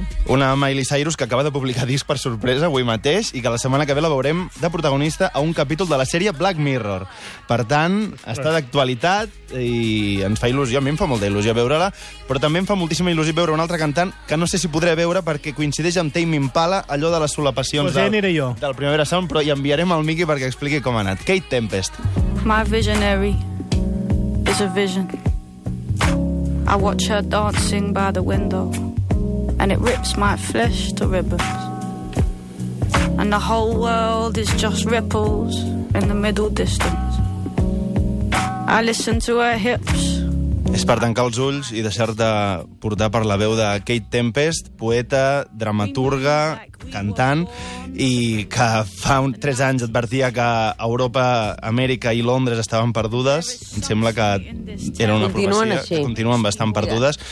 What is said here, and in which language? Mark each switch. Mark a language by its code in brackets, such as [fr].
[ca] Una Miley Cyrus que acaba de publicar disc per sorpresa avui mateix i que la setmana que ve la veurem de protagonista a un capítol de la sèrie Black Mirror. Per tant, està d'actualitat i ens fa il·lusió. A mi em fa molta il·lusió veure-la, però també em fa moltíssima il·lusió veure un altre cantant que no sé si podré veure perquè coincideix amb Tame Impala, allò de les solapacions del Primavera Sound, però i enviarem el Miqui perquè expliqui com ha anat. Kate Tempest. [en] My visionary is a vision. I watch her dancing by the window and it rips my flesh to ribbons. And the whole world is just ripples in the middle distance. I listen to her hips. [ca] És per tancar els ulls i deixar-te portar per la veu de Kate Tempest, poeta, dramaturga, cantant, i que fa 3 anys advertia que Europa, Amèrica i Londres estaven perdudes. Em sembla que era una profecia. Continuen bastant perdudes.